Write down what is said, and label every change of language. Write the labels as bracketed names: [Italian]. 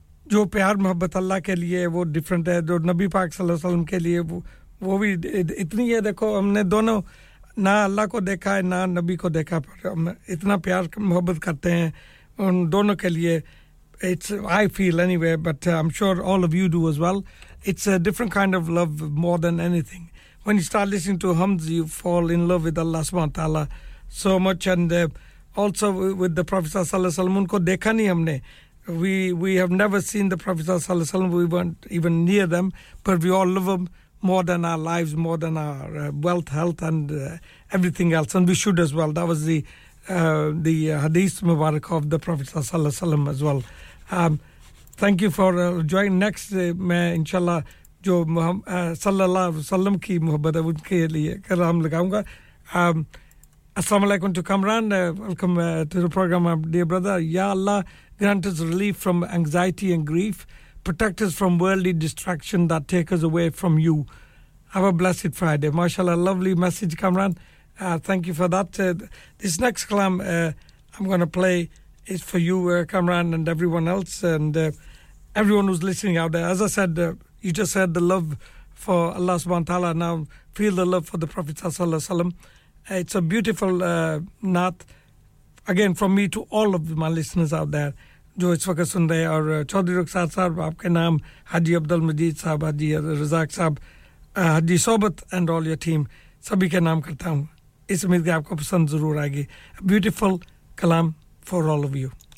[Urdu] جو پیار محبت اللہ کے لیے وہ ڈیفرنٹ ہے جو نبی پاک صلی اللہ علیہ وسلم کے لیے وہ بھی اتنی ہے دیکھو ہم نے دونوں نہ اللہ کو دیکھا ہے نہ نبی کو دیکھا پر ہم اتنا پیار محبت کرتے ہیں ان دونوں کے لیے [English] It's I feel anyway, but I'm sure all of you do as well. It's a different kind of love more than anything. When you start listening to Hamza, you fall in love with Allah subhanahu wa ta'ala so much. And also with the Prophet sallallahu alaihi wasallam, [Urdu] unko dekha nahi humne. [English] We have never seen the Prophet sallallahu alaihi wasallam. We weren't even near them, but we all love him more than our lives, more than our wealth, health, and everything else. And we should as well. That was the Hadith Mubarak of the Prophet sallallahu alaihi wasallam as well. Thank you for joining. [Urdu] Next, میں انشاءاللہ جو صلی اللہ علیہ وسلم کی محبت ہے ان کے لیے کلام لگاؤں گا. [English] السلام علیکم to Kamran. Welcome to the program, dear brother. Ya Allah, grant us relief from anxiety and grief. Protect us from worldly distraction that take us away from you. Have a blessed Friday. MashaAllah, lovely message, Kamran. Thank you for that. This next kalam I'm going to play is for you, Kamran, and everyone else, and everyone who's listening out there. As I said, you just heard the love for Allah subhanahu wa ta'ala. Now feel the love for the Prophet sallallahu alaihi wasallam. It's a beautiful naat, again, from me to all of my listeners out there. [Urdu] جو اس وقت سن رہے اور چودھری رخسار صاحب آپ کے نام حاجی عبد المجید صاحب حاجی رزاق صاحب حاجی صحبت [English] and all your team [Urdu] سبھی کے نام کرتا ہوں اس امید کہ آپ کو پسند ضرور آئے گی [English] beautiful kalam for all of you